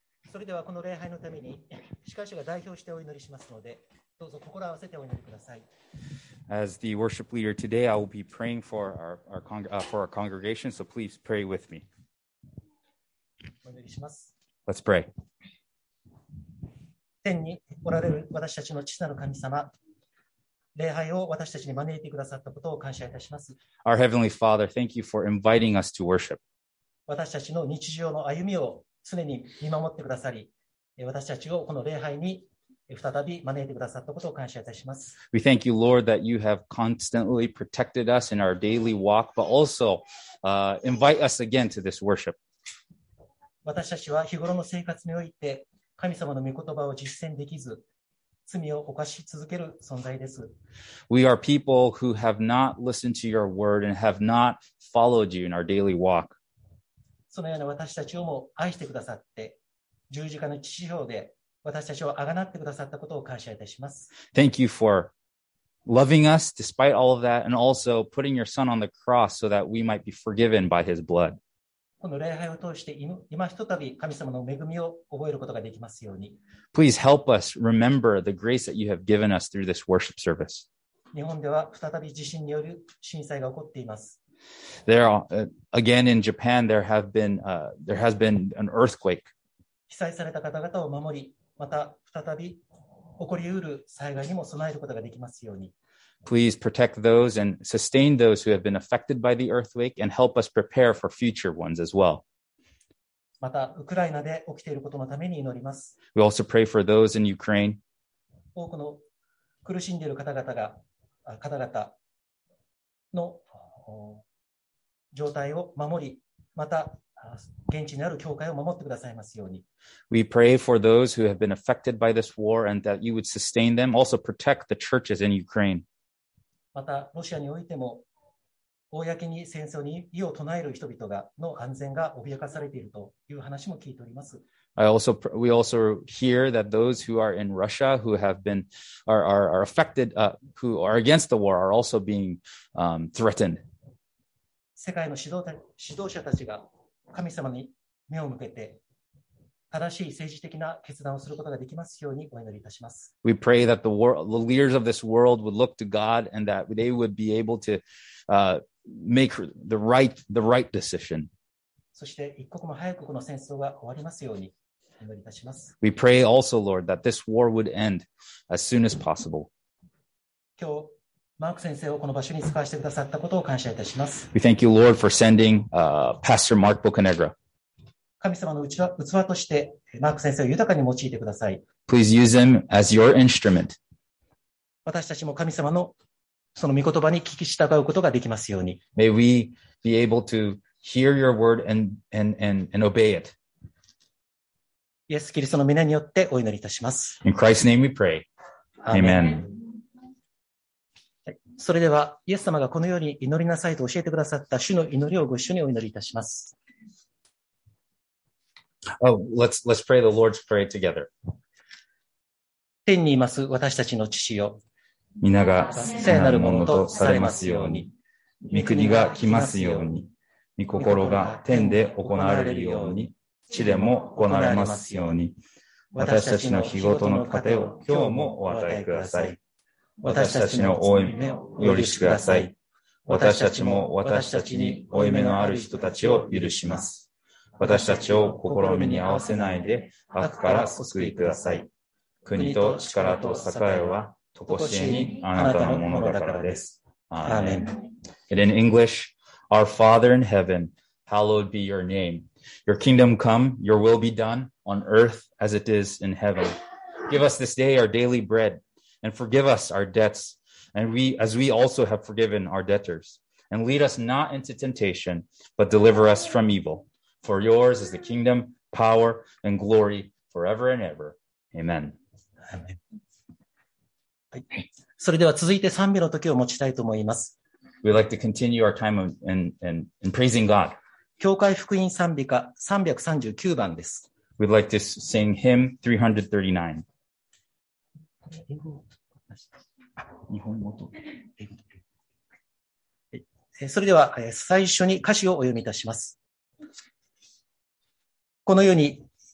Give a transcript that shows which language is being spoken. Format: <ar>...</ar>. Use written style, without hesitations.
<ja>それではこの礼拝のために司会者が代表してお祈りしますので、どうぞ心を合わせてお祈りください。</ja> <en>As the worship leader today, I will be praying for our congregation, so please pray with me.</en> <ja>お祈りします。</ja> <en>Let's pray.</en> <ja>天におられる私たちの父なる神様、礼拝を私たちに招いてくださったことを感謝いたします。</ja> <en>Our Heavenly Father, thank you for inviting us to worship.</en> <ja>私たちの日常の歩みを常に見守ってくださり、私たちをこの礼拝に再び招いてくださったことを感謝いたします。</ja> <en>We thank you, Lord, that you have constantly protected us in our daily walk, but also invite us again to this worship.</en> <ja>私たちは日頃の生活において神様の御言葉を実践できず、罪を犯し続ける存在です。</ja> <en>We are people who have not listened to your word and have not followed you in our daily walk.</en> <ja>そのような私たちをも愛してくださって、十字架の血潮で私たちをあがなってくださったことを感謝いたします。</ja> <en>Thank you for loving us despite all of that, and also putting your son on the cross so that we might be forgiven by his blood.</en> <ja>この礼拝を通して今ひとたび神様の恵みを覚えることができますように。</ja> <en>Please help us remember the grace that you have given us through this worship service.</en> <ja>日本では再び地震による震災が起こっています。</ja> <en>There are, again in Japan, there has been an earthquake.</en> <ja>被災された方々を守り、また再び起こりうる災害にも備えることができますように。</ja> <en>Please protect those and sustain those who have been affected by the earthquake, and help us prepare for future ones as well.</en> <ja>またウクライナで起きていることのために祈ります。</ja> <en>We also pray for those in Ukraine.</en> <ja>多くの苦しんでいる方々の状態を守り、また現地にある教会を守ってくださいますように。</ja> <en>We pray for those who have been affected by this war and that you would sustain them. Also protect the churches in Ukraine.</en> <ja>またロシアにおいても、公に戦争に異を唱える人々がの安全が脅かされているという話も聞いております。</ja> <en>We also hear that those who are in Russia who have been are affected, who are against the war are also being threatened.</en> <ja>世界の指導者たちが神様に目を向けて正しい政治的な決断をすることができますようにお祈りいたします。</ja> <en>We pray that the leaders of this world would look to God and that they would be able to make the right decision.</en> <ja>そして一刻も早くこの戦争が終わりますようにお祈りいたします。</ja> <en>We pray also, Lord, that this war would end as soon as possible.</en> <ja>今日マーク先生をこの場所に使わせてくださったことを感謝いたします。</ja> <en>We thank you, Lord, for sending Pastor Mark Bocanegra.</en> <ja>神様の器としてマーク先生を豊かに用いてください。</ja> <en>Please use him as your instrument.</en> <ja>私たちも神様のその御言葉に聞き従うことができますように。</ja> <en>May we be able to hear your word and obey it.</en> <ja>イエス・キリストの名によってお祈りいたします。</ja> <en>In Christ's name we pray. Amen.</en> <ja>それではイエス様がこのように祈りなさいと教えてくださった主の祈りをご一緒にお祈りいたします。</ja> <en>Oh, let's pray the Lord's Prayer together.</en> <ja>天にいます私たちの父よ、皆が聖なるものとされますように、御国が来ますように、御心が天で行われるように、地でも行われますように、私たちの日ごとの糧を今日もお与えください。私たちの負い目を許してください。私たちも私たちに負い目のある人たちを許します。私たちを試みに合わせないで悪から救いください。国と力と栄は、とこしえにあなたのものだからです。アーメン。</ja> <en>And in English, Our Father in heaven, hallowed be your name. Your kingdom come, your will be done, on earth as it is in heaven. Give us this day our daily bread. And forgive us our debts, and we, as we also have forgiven our debtors. And lead us not into temptation, but deliver us from evil. For yours is the kingdom, power, and glory forever and ever. Amen.</en> <ja>それでは続いて賛美の時を持ちたいと思います。</ja> <en>We'd like to continue our time in praising God.</en> <ja>教会福音賛美歌339番です。</ja> <en>We'd like to sing hymn 339.</en> <ja>日本語と英語。それでは最初に歌詞をお読みいたします。この世に</ja>